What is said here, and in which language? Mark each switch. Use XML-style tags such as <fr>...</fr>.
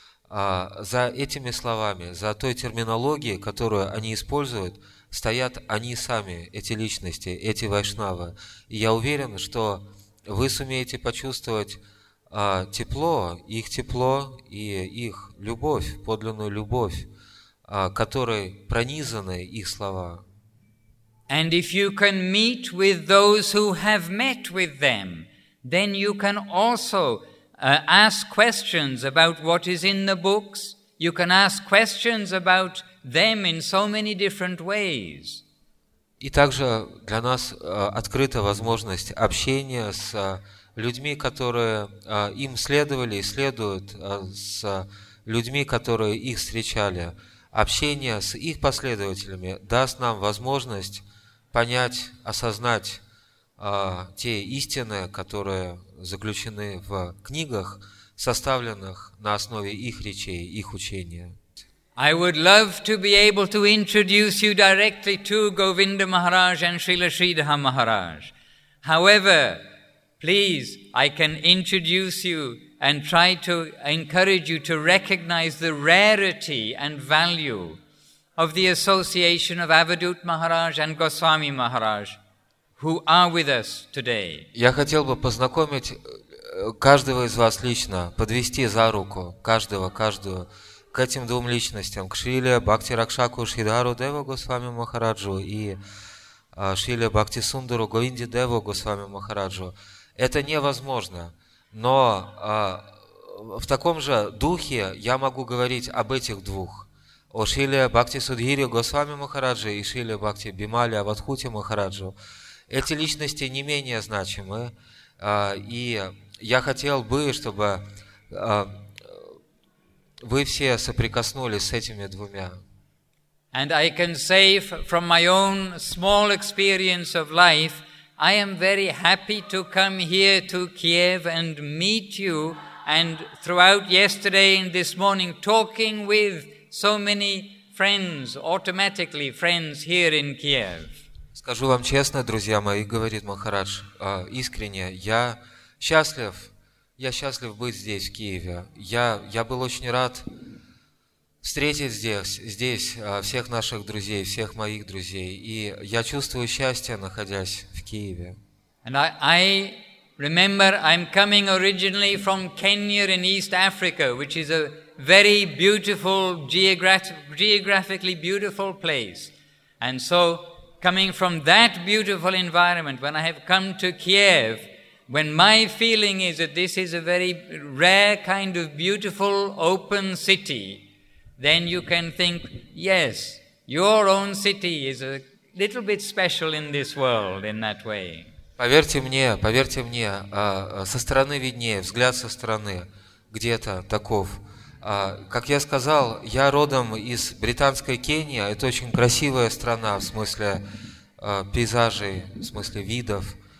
<ru>За этими словами, за той терминологией, которую они используют, стоят они сами, эти личности, эти вайшнавы. И я уверен, что вы сумеете почувствовать тепло и их любовь, подлинную любовь, которой пронизаны их слова.</ru> <en>And if you can meet with those who have met with them, then you can also ask questions about what is in the books. You can ask questions about them in so many different ways.</en> <ru>И также для нас открыта возможность общения с людьми, которые им следовали и следуют, с людьми, которые их встречали. Общение с их последователями даст нам возможность понять, осознать те истины, которые заключены в книгах, составленных на основе их речей, их учения.</ru> <en>I would love to be able to introduce you directly to Govinda Maharaj and Srila Sridhara Maharaj. However, please, I can introduce you and try to encourage you to recognize the rarity and value of the association of Avadhut Maharaj and Goswami Maharaj, who are with us today.</en> <ru>Я хотел бы познакомить каждого из вас лично, подвести за руку каждого к этим двум личностям, к Шриле Бхакти Ракшаку Шридхару Деву Госвами Махараджу и Шриле Бхакти Сундару Говинде Деву Госвами Махараджу. Это невозможно, но в таком же духе я могу говорить об этих двух. О Шриле Бхакти Судхире Госвами Махараджи и Шриле Бхакти Бимали Аватхути Махараджу. Эти личности не менее значимы, и я хотел бы, чтобы вы все соприкоснулись с этими двумя.</ru> <en>And I can say from my own small experience of life, I am very happy to come here to Kiev and meet you, and throughout yesterday and this morning talking with so many friends, automatically friends here in Kiev.</en> <ru>Скажу вам честно, друзья мои, говорит Махарадж, искренне, я счастлив быть здесь, в Киеве. Я был очень рад встретить здесь всех наших друзей, всех моих друзей. И я чувствую счастье, находясь в Киеве.</ru> <en>And I remember I'm coming originally from Kenya in East Africa, which is a very beautiful, geographically beautiful place. And so, coming from that beautiful environment, when I have come to Kiev, when my feeling is that this is a very rare kind of beautiful open city, then you can think, yes, your own city is a little bit special in this world in that way.</en> <ru>Поверьте мне, со стороны виднее, взгляд со стороны где-то таков. Как я сказал, я родом из британской Кении. Это очень красивая страна в смысле пейзажей, в смысле видов.</ru>